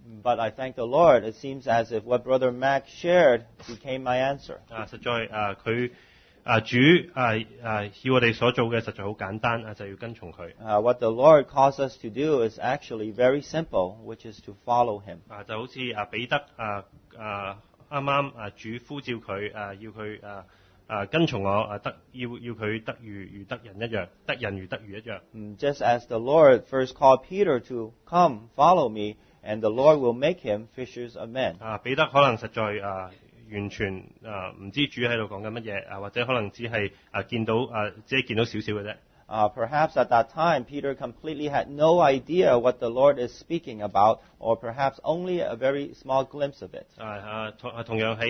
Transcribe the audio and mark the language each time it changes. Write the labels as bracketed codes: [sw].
[en] But I thank the Lord, it seems as if what Brother Mac shared became my answer. [yue] 實在主要我哋所做嘅實在好簡單，就要跟從佢。 [en] What the Lord calls us to do is actually very simple, which is to follow him. [yue] 就好似彼得啱啱主呼召佢，要佢跟從我，要佢得如得人一樣。 [en] Just as the Lord first called Peter to come, follow me, and the Lord will make him fishers of men. [yue] 彼得可能實在完全唔知主喺度講緊乜嘢，或者可能只係見到少少嘅啫。 [en] Perhaps at that time, Peter completely had no idea what the Lord is speaking about, or perhaps only a very small glimpse of it.